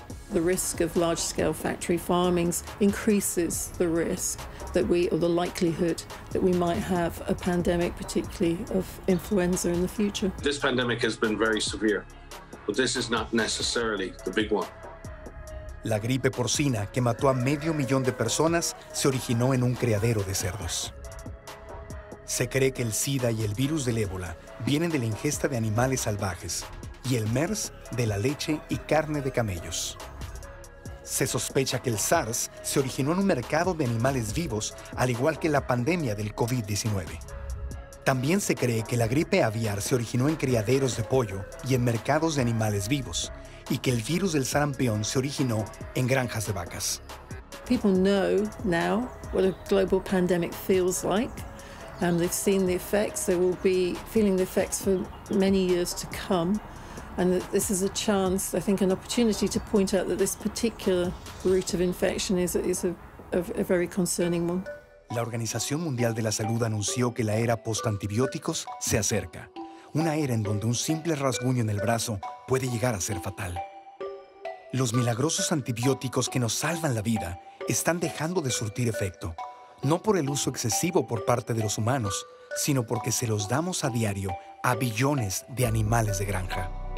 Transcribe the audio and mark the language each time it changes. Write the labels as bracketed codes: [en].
[en] The risk of large-scale factory farmings increases the risk that we, or the likelihood that we might have a pandemic, particularly of influenza in the future. This pandemic has been very severe, but this is not necessarily the big one. [es] La gripe porcina, que mató a medio millón de personas, se originó en un criadero de cerdos. Se cree que el SIDA y el virus del ébola vienen de la ingesta de animales salvajes y el MERS de la leche y carne de camellos. Se sospecha que el SARS se originó en un mercado de animales vivos, al igual que la pandemia del COVID-19. También se cree que la gripe aviar se originó en criaderos de pollo y en mercados de animales vivos, y que el virus del sarampión se originó en granjas de vacas. [en] People know now what a global pandemic feels like. They've seen the effects. They will be feeling the effects for many years to come. And this is a chance, I think, an opportunity to point out that this particular route of infection is a very concerning one. [es] La Organización Mundial de la Salud anunció que la era post-antibióticos se acerca. Una era en donde un simple rasguño en el brazo puede llegar a ser fatal. Los milagrosos antibióticos que nos salvan la vida están dejando de surtir efecto, no por el uso excesivo por parte de los humanos, sino porque se los damos a diario a billones de animales de granja.